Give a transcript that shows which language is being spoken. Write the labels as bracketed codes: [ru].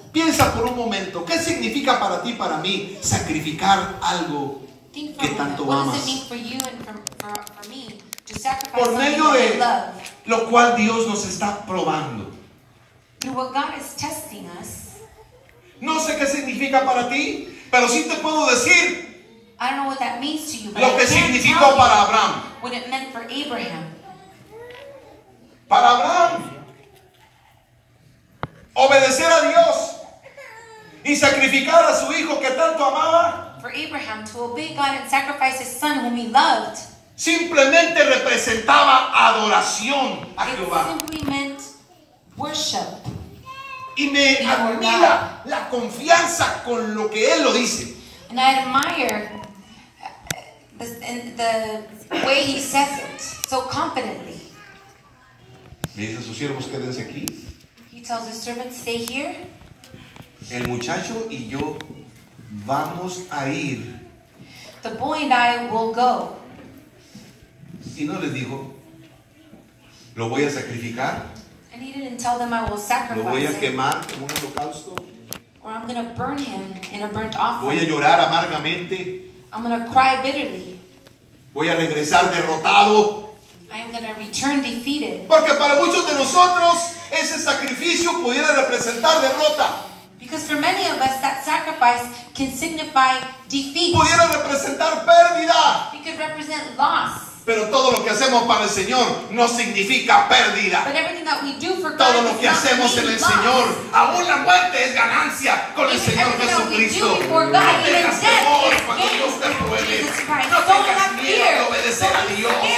[es] Piensa por un momento, ¿qué significa para ti, para mí, sacrificar algo que tanto amas? [en] What does it mean for you and for me to sacrifice por something you love? [es] Lo cual Dios nos está probando. [en] Well, God is testing us. [es] No sé qué significa para ti, pero sí te puedo decir. [en] I don't know what that means to you, but [es] lo que significó para Abraham. [en] What it meant for Abraham. [es] Para Abraham, obedecer a Dios y sacrificar a su hijo que tanto amaba. [en] For Abraham to obey God and sacrifice his son whom he loved. [es] Simplemente representaba adoración a Jehová. [en] It simply meant worship. [es] Y me admira la confianza con lo que él lo dice. [en] And I admire the way he says it so confidently. [es] Le dice a sus siervos, quédense aquí. [en] He tells his servants, stay here. [es] El muchacho y yo vamos a ir. [en] The boy and I will go. [es] Y no les dijo, lo voy a sacrificar. [en] And he didn't tell them I will sacrifice. [es] Lo voy a quemar en un holocausto. [en] Or I'm going to burn him in a burnt offering. [es] Voy a llorar amargamente. [en] I'm going to cry bitterly. [es] Voy a regresar derrotado. [en] I'm going to return defeated. [es] Porque para muchos de nosotros ese sacrificio pudiera representar derrota. [en] Because for many of us that sacrifice can signify defeat. [es] Pudiera representar pérdida. [en] It could represent loss. [es] Pero todo lo que hacemos para el Señor no significa pérdida. [en] But everything that we do for God, [es] todo lo que hacemos en el Señor, aún la muerte es ganancia con el Señor Jesucristo. No tengas temor cuando Dios te pruebe. No tengas miedo de obedecer a Dios.